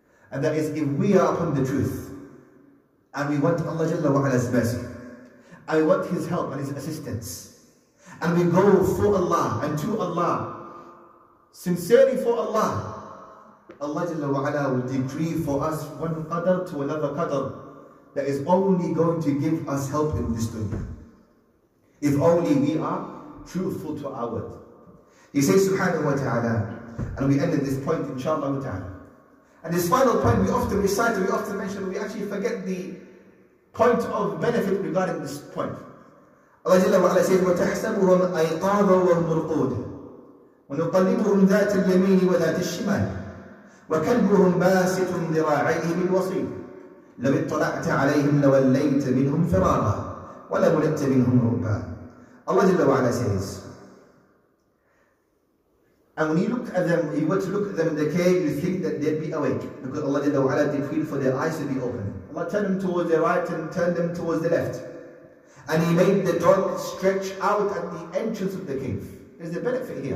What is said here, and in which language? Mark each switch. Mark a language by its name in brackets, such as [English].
[English] And that is, if we are upon the truth and we want Allah Jalla wa'ala's mercy, and we want His help and His assistance, and we go for Allah and to Allah, sincerely for Allah, Allah Jalla wa'ala will decree for us one qadr to another qadr that is only going to give us help in this dunya. If only we are truthful to our word. He says subhanahu wa ta'ala, and we end at this point inshallah wa ta'ala. And this final point we often recite, we often mention, we actually forget the point of benefit regarding this point. Allah Jalla wa'ala says, [Arabic] وَتَحْسَبُهُمْ أَيْقَاظًا وَمُرْقُودًا وَنُقَلِّبُهُمْ ذَاتِ الْيَمِينِ وَذَاتِ الشِّمَالِ وَكَلْبُهُمْ بَاسِطٌ ذِرَاعَيْهِ بِالْوَصِيدِ لَوْ اطَّلَعْتَ عَلَيْهِمْ لَوَلَّيْتَ مِنْهُمْ فِرَارًا وَلَمُلِئْتَ مِنْهُمْ رُعْبًا. [English] Allah Jalla wa'ala says, and when you look at them, you were to look at them in the cave, you think that they'd be awake, because Allah Jalla wa'ala decreed for their eyes to be open. Allah turned them towards the right and turned them towards the left, and He made the dog stretch out at the entrance of the cave. There's a benefit here.